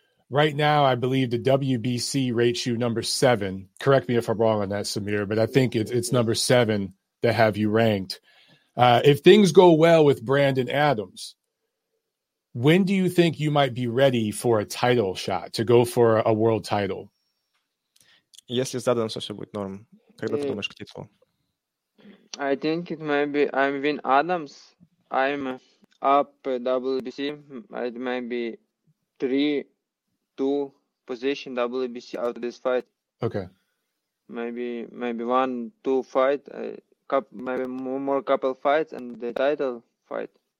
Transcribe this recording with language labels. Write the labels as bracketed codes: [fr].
[en] Right now, I believe the WBC rates you number 7. Correct me if I'm wrong on that, Samir, but I think it's number 7 that have you ranked. If things go well with Brandon Adams, when do you think you might be ready for a title shot, to go for a world title? [ru] Если с Адамсом все будет норм, когда ты думаешь к титулу? [en] I think it might be I'm win Adams. I'm up WBC, it might be 3-2 position WBC out of this fight. Okay. Maybe 1-2 fight, maybe more couple fights and the title fight.